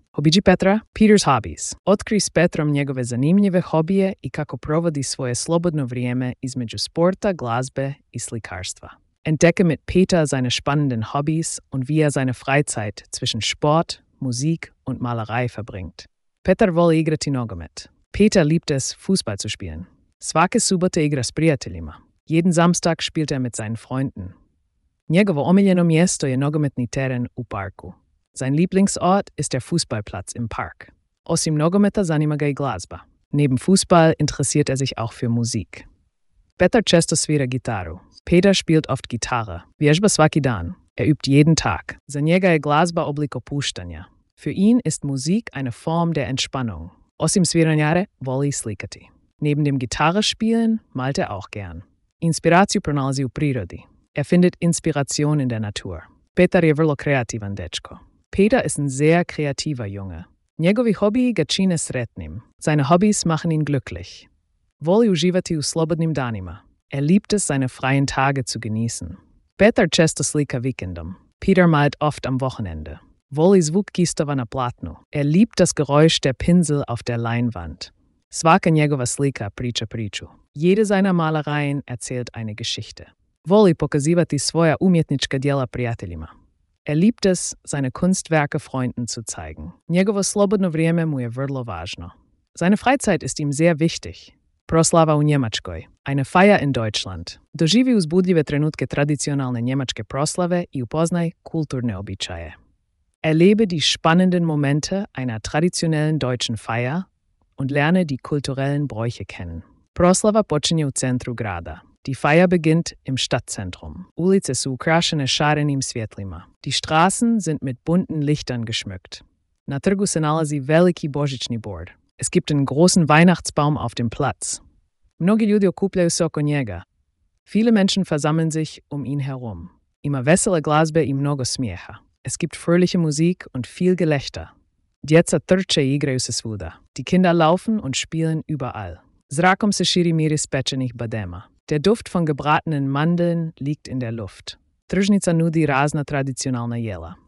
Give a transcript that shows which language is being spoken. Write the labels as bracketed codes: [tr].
[hr] Hobiji Petra? [en] Peter's Hobbies. [hr] Otkri s Petrom njegove zanimljive hobije i kako provodi svoje slobodno vrijeme između sporta, glazbe i slikarstva. [de] Entdecke mit Peter seine spannenden Hobbys und wie er seine Freizeit zwischen Sport, Musik und Malerei verbringt. [hr] Petar voli igrati nogomet. [de] Peter liebt es, Fußball zu spielen. [hr] Svake subote igra s prijateljima. [de] Jeden Samstag spielt er mit seinen Freunden. [hr] Njegovo omiljeno mjesto je nogometni teren u parku. [de] Sein Lieblingsort ist der Fußballplatz im Park. [hr] Osim nogometa zanima ga i glazba. [de] Neben Fußball interessiert er sich auch für Musik. [hr] Petar često svira gitaru. [de] Peter spielt oft Gitarre. [hr] Vježba svaki dan. [de] Er übt jeden Tag. [hr] Za njega je glazba oblik opuštanja. [de] Für ihn ist Musik eine Form der Entspannung. [hr] Osim sviranjare, voli slikati. [de] Neben dem Gitarrespielen malt er auch gern. [hr] Inspiratio pronalazi u prirodi. [de] Er findet Inspiration in der Natur. [hr] Petar je vrlo kreativan dečko. [de] Peter ist ein sehr kreativer Junge. [hr] Njegovi hobi ga čine sretnim. [de] Seine Hobbys machen ihn glücklich. [hr] Voli uživati u slobodnim danima. [de] Er liebt es, seine freien Tage zu genießen. [hr] Petar često slika vikendom. [de] Peter malt oft am Wochenende. [hr] Voli zvuk kistova na platnu. [de] Er liebt das Geräusch der Pinsel auf der Leinwand. [hr] Svaka njegova slika priča priču. [de] Jede seiner Malereien erzählt eine Geschichte. [hr] Voli pokazivati svoja umjetnička djela prijateljima. [de] Er liebt es, seine Kunstwerke Freunden zu zeigen. [hr] Njegovo slobodno vrijeme mu je vrlo važno. [de] Seine Freizeit ist ihm sehr wichtig. [hr] Proslava u Njemačkoj. [de] Eine Feier in Deutschland. [hr] Doživi uzbudljive trenutke tradicionalne njemačke proslave i upoznaj kulturne običaje. [de] Erlebe die spannenden Momente einer traditionellen deutschen Feier und lerne die kulturellen Bräuche kennen. [hr] Proslava počinje u centru grada. [de] Die Feier beginnt im Stadtzentrum. [hr] Ulice su ukrašene šarenim svjetlima. [de] Die Straßen sind mit bunten Lichtern geschmückt. [hr] Na trgu se nalazi veliki božićni bord. [de] Es gibt einen großen Weihnachtsbaum auf dem Platz. [hr] Mnogi ljudi okupljaju se oko njega. [de] Viele Menschen versammeln sich um ihn herum. [hr] Ima vesele glazbe i mnogo smijeha. [de] Es gibt fröhliche Musik und viel Gelächter. [hr] Djeca trče i igraju se svuda. [de] Die Kinder laufen und spielen überall. [hr] Zrakom se širi miris pečenih badema. [de] Der Duft von gebratenen Mandeln liegt in der Luft. [hr] Tržnica nudi razna tradicionalna jela.